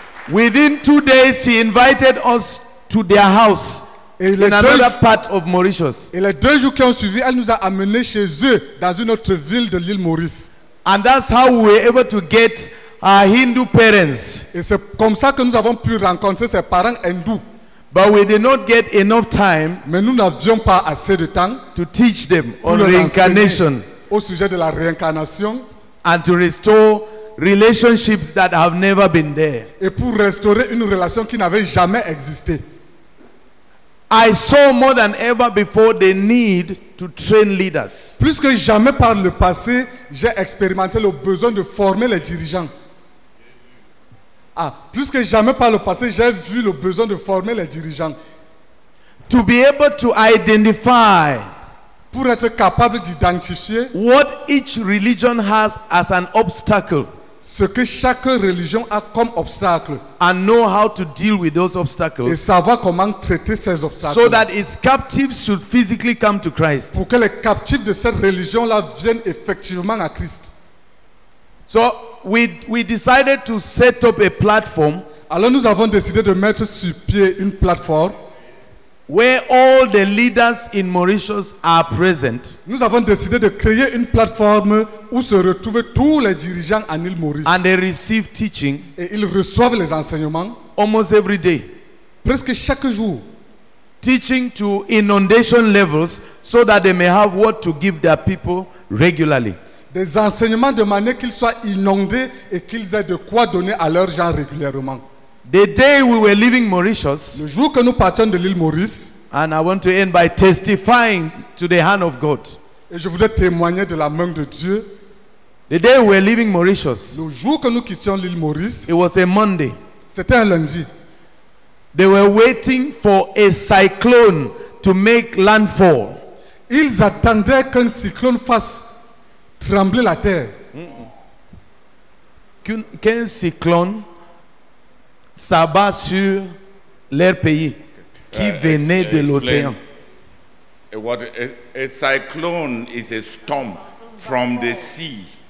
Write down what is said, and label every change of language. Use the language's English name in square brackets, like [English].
[English] Within 2 days, she invited us to their house. In another part of Mauritius. [French] Et les 2 jours qui ont suivi, elle nous a amenés chez eux dans une autre ville de l'île Maurice. [English] And that's how we were able to get our Hindu parents. [French] Et c'est comme ça que nous avons pu rencontrer ses parents hindous. [English] But we did not get enough time. [French] Mais nous n'avions pas assez de temps [English] to teach them on reincarnation. [French] Au sujet de la réincarnation. [English] And to restore relationships that have never been there. [French] Et pour restaurer une relation qui n'avait jamais existé. [English] I saw more than ever before the need to train leaders. [French] Plus que jamais par le passé, j'ai expérimenté le besoin de former les dirigeants. Plus que jamais par le passé, j'ai vu le besoin de former les dirigeants. [English] To be able to identify. [French] Pour être capable d'identifier. [English] What each religion has as an obstacle. [French] Ce que chaque religion a comme obstacle. [English] And know how to deal with those obstacles. [French] Et savoir comment traiter ces obstacles. [English] So that its captives should physically come to Christ. [French] Pour que les captifs de cette religion-là viennent effectivement à Christ. [English] So we decided to set up a platform. [French] Alors nous avons décidé de mettre sur pied une plateforme. [English] Where all the leaders in Mauritius are present. [French] Nous avons décidé de créer une plateforme où se retrouvent tous les dirigeants en île Maurice. [English] And they receive teaching. [French] Et ils reçoivent les enseignements. [English] Almost every day. [French] Presque chaque jour. [English] Teaching to inundation levels so that they may have what to give their people regularly. [French] Des enseignements de manière qu'ils soient inondés et qu'ils aient de quoi donner à leurs gens régulièrement. [English] The day we were leaving Mauritius, [French] le jour que nous partions de l'île Maurice, [English] and I want to end by testifying to the hand of God. [French] Et je voudrais témoigner de la main de Dieu. [English] The day we were leaving Mauritius, [French] le jour que nous quittions l'île Maurice, [English] it was a Monday. [French] C'était un lundi. [English] They were waiting for a cyclone to make landfall. [French] Ils attendaient qu'un cyclone fasse trembler la terre. Qu'un cyclone s'abat sur leur pays qui venait de l'océan. [English] What a cyclone is a storm from the sea.